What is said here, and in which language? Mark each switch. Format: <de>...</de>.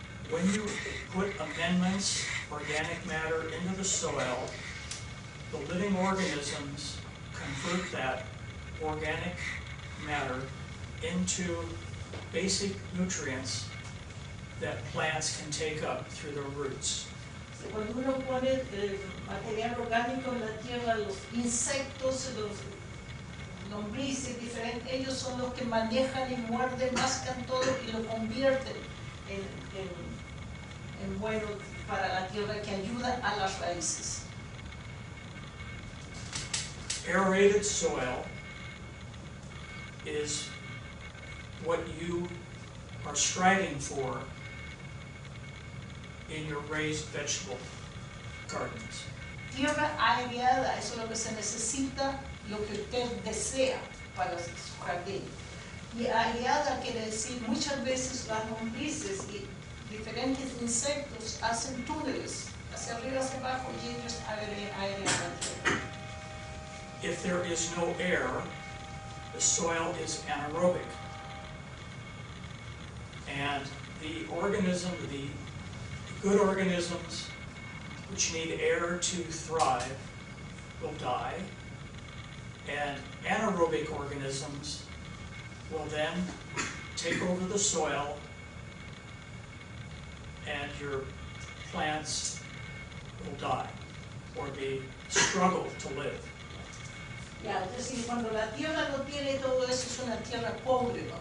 <en>When you put amendments, organic matter, into the soil, the living organisms convert that organic matter into basic nutrients that plants can take up through their roots.</en> <es>Cuando uno pone material orgánico en la tierra, los insectos, los lombrices diferentes, ellos son los que manejan y muerden, mascan todo y lo convierten en bueno para la tierra que ayuda a las raíces.</es> <en>Aerated soil is what you are striving for in your raised vegetable gardens.</en> <es>Tierra aireada, eso es lo que se necesita, lo que usted desea para su jardín. Y aliada quiere decir muchas veces las lombrices y diferentes insectos hacen túneles hacia arriba, hacia abajo y ellos aerean.</es> <en>If there is no air, the soil is anaerobic. And the organism, the good organisms which need air to thrive, will die, and anaerobic organisms will then take over the soil, and your plants will die, or they struggle to live.</en> <es>Ya, entonces cuando la tierra no tiene todo eso, es una tierra pobre, ¿no?</es>